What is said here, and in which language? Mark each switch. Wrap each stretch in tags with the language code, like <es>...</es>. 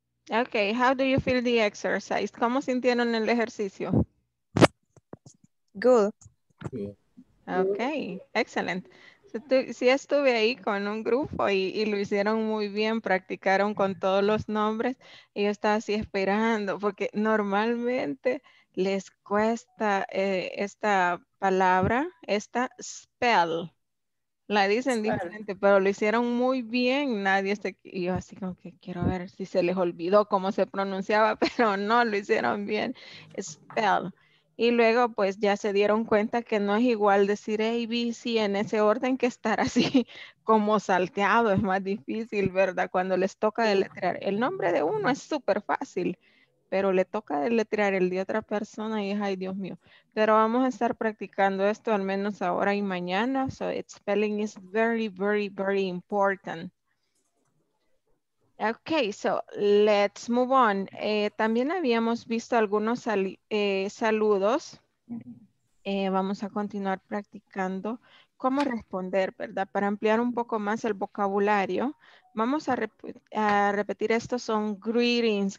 <en>Okay, how do you feel the exercise?</en> <es>¿Cómo sintieron el ejercicio?</es> <en>Good. Okay, excellent.</en> <es>Sí estuve ahí con un grupo y lo hicieron muy bien, practicaron con todos los nombres y yo estaba así esperando porque normalmente les cuesta esta palabra, esta spell. La dicen spell. Diferente, pero lo hicieron muy bien. Nadie se... Y yo así como que quiero ver si se les olvidó cómo se pronunciaba, pero no, lo hicieron bien. Spell. Y luego pues ya se dieron cuenta que no es igual decir ABC en ese orden que estar así como salteado. Es más difícil, ¿verdad? Cuando les toca deletrear. El nombre de uno es súper fácil, pero le toca deletrear el de otra persona y es, ay Dios mío. Pero vamos a estar practicando esto al menos ahora y mañana.</es> <en>So its spelling is very, very, very important. Okay, so let's move on.</en> <es>También habíamos visto algunos saludos. Vamos a continuar practicando cómo responder, ¿verdad? Para ampliar un poco más el vocabulario. Vamos a repetir, estos son greetings.</es>